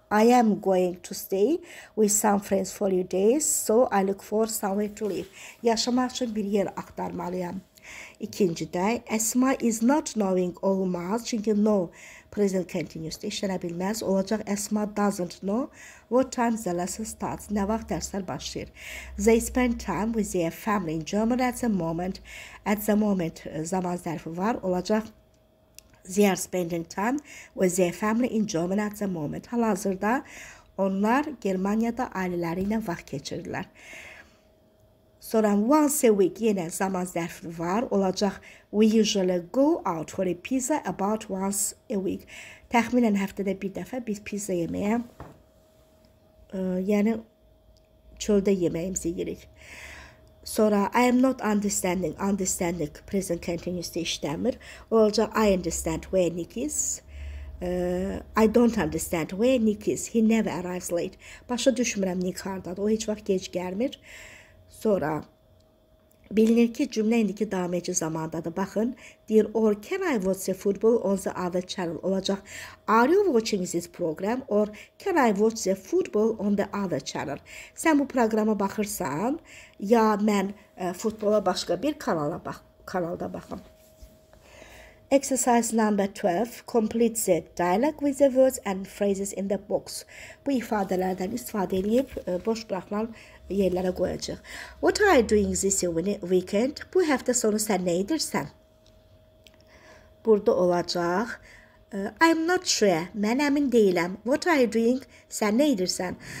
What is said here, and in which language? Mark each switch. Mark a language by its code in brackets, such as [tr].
[en] I am going to stay with some friends for a few days, so I look for somewhere to live. [az] Yaşamaq üçün bir yer axtarmalıyam. İkincidə, [en] Esma is not knowing [az] olmaz, çünki [en] no present continuous [az] işlənə bilməz. Olacaq, [en] Esma doesn't know what time the lesson starts, [az] nə vaxt dərslər başlayır. [en] They spend time with their family in German at the moment. At the moment [az] zaman zərfi var, olacaq, [en] they are spending time with their family in German at the moment. [az] Hal-hazırda onlar Germaniyada ailələri ilə vaxt keçirirlər. Sonra [en] once a week [az] yenə zaman zərfi var. Olacaq, [en] we usually go out for a pizza about once a week. [az] Təxminən həftədə bir dəfə biz pizza yeməyə, yəni çöldə yeməyimizi yeyirik. Sonra, [en] I am not understanding. Understanding present continuous [az] işləmir. Olacaq, [en] I understand where Nick is. I don't understand where Nick is. He never arrives late. [az] Başa düşmürəm Nick hardadır. O heç vaxt gec gəlmir. Sonra, bilinir ki, cümlə indiki davamçı zamandadır. Baxın, deyir, [en] or can I watch the football on the other channel? [az] Olacaq, [en] are you watching this program? Or can I watch the football on the other channel? [az] Sən bu proqrama baxırsan, ya mən futbola başqa bir kanalda baxım. [en] Exercise number 12. Complete the dialogue with the words and phrases in the box. [az] Bu ifadələrdən istifadə edib, boş bıraxmam yerlərə qoyacaq. [en] What are you doing this weekend? [az] Bu həftə sonu sən nə edirsən? Burada olacaq. [en] I'm not sure. [az] Mən əmin deyiləm. [en] What are you doing? [az] Sən nə edirsən?